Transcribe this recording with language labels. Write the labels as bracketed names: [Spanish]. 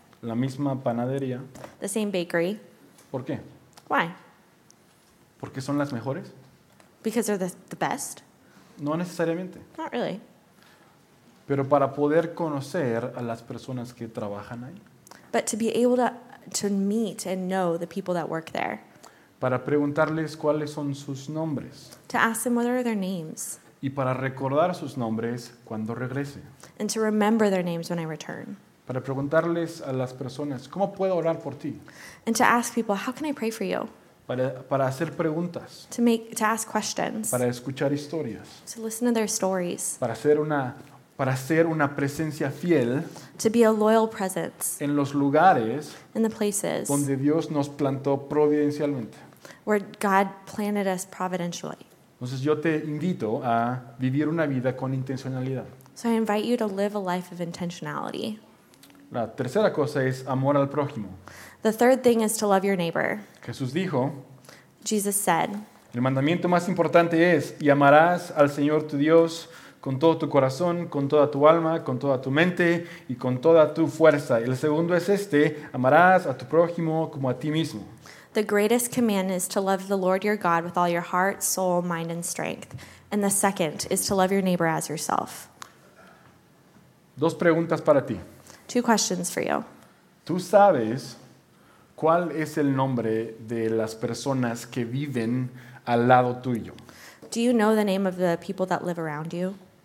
[Spanish] la misma panadería, [English] the same bakery. [Spanish] ¿Por qué? [English] Why? [Spanish] ¿Porque son las mejores? [English] Because they're the best. [Spanish] No necesariamente. [English] Not really. [Spanish] Pero para poder conocer a las personas que trabajan ahí. [English] but to be able to meet and know the people that work there. [Spanish] Para preguntarles cuáles son sus nombres. [English] To ask them what are their names. [Spanish] Y para recordar sus nombres cuando regrese. [English] And to remember their names when I return. [Spanish] Para preguntarles a las personas, ¿cómo puedo orar por ti? [English] And to ask people, how can I pray for you? [Spanish] Para hacer preguntas. [English] To ask questions. [Spanish] Para escuchar historias. [English] To listen to their stories. [Spanish] Para ser una presencia fiel. [English] To be a loyal presence. [Spanish] En los lugares. [English] In the places. [Spanish] Donde Dios nos plantó providencialmente. [English] Where God planted us providentially. [Spanish] Entonces yo te invito a vivir una vida con intencionalidad. [English] So I invite you to live a life of intentionality. [Spanish] La tercera cosa es amor al prójimo. [English] The third thing is to love your neighbor. [Spanish] Jesús dijo. [English] Jesus said. [Spanish] El mandamiento más importante es, y amarás al Señor tu Dios con todo tu corazón, con toda tu alma, con toda tu mente y con toda tu fuerza. El segundo es este, amarás a tu prójimo como a ti mismo. [English] The greatest command is to love the Lord your God with all your heart, soul, mind, and strength. And the second is to love your neighbor as yourself. [Spanish] Dos preguntas para ti. [English] Two questions for you. [Spanish] ¿Tú sabes cuál es el nombre de las personas que viven al lado tuyo? [English] Do you know the name of the people that live around you?